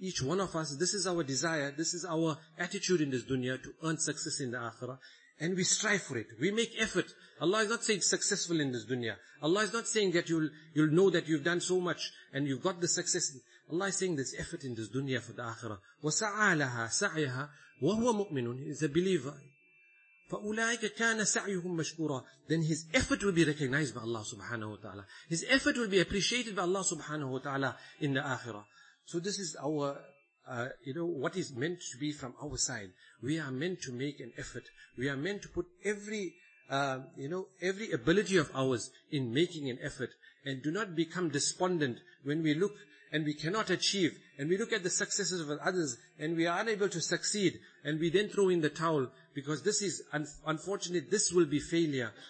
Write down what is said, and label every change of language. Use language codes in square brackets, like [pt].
[en] Each one of us, this is our desire, this is our attitude in this dunya, to earn success in the akhirah. And we strive for it. We make effort. Allah is not saying successful in this dunya. Allah is not saying that you'll know that you've done so much and you've got the success. Allah is saying this effort in this dunya for the akhirah. [ar] وَسَعَى لَهَا سَعْيَهَا وَهُوَ مُؤْمِنٌ, [en] he is a believer. [ar] فَأُولَٰئِكَ كَانَ سَعْيُهُمْ مَشْكُورًا, [en] then his effort will be recognized by Allah subhanahu wa ta'ala. His effort will be appreciated by Allah subhanahu wa ta'ala in the akhirah. So this is our, what is meant to be from our side. We are meant to make an effort. We are meant to put every ability of ours in making an effort, and do not become despondent when we look and we cannot achieve, and we look at the successes of others and we are unable to succeed, and we then throw in the towel, because this is unfortunately, this will be failure.